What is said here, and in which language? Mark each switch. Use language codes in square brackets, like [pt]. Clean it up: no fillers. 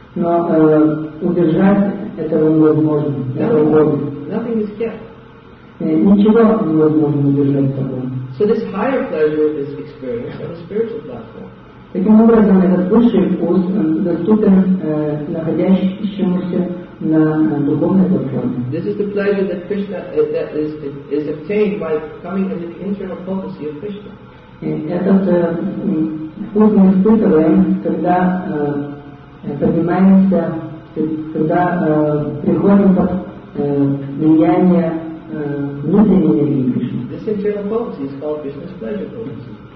[ru] Но удержать этого невозможно. [en] Nothing is kept. [ru] Ничего невозможно удержать такого. [en] So this higher pleasure is experienced on a spiritual platform. [ru] Таким образом, этот высший вкус доступен находящемуся на духовной платформе. [en] This is the pleasure that Krishna that is obtained by coming into the internal potency of Krishna. [ru] Этот вкус мы испытываем, когда поднимаемся, когда приходим под влияние внутренней энергии Кришны. [en] This internal potency is called Krishna's pleasure potency.